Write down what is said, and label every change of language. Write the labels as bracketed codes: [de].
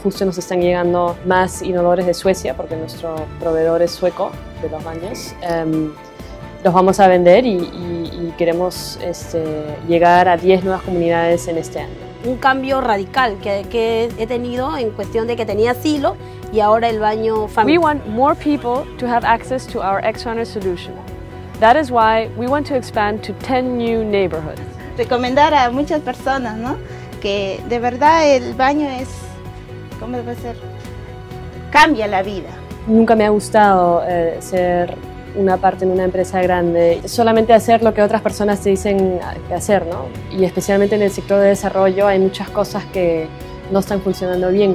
[es] Justo nos están llegando más inodores de Suecia porque nuestro proveedor es sueco de los baños. Los vamos a vender y queremos llegar a 10 nuevas comunidades en este año. Un cambio radical que he tenido en cuestión de que tenía silo y ahora el baño familiar. [en] We want more people to have access to our Xrunner solution. That is why we want to expand to 10 new neighborhoods. [es] Recomendar a muchas personas, ¿no? Que de verdad el baño es, ¿cómo debe ser? Cambia la vida. Nunca me ha gustado ser una parte en una empresa grande, solamente hacer lo que otras personas te dicen que hacer, ¿no? Y especialmente en el sector de desarrollo hay muchas cosas que no están funcionando bien.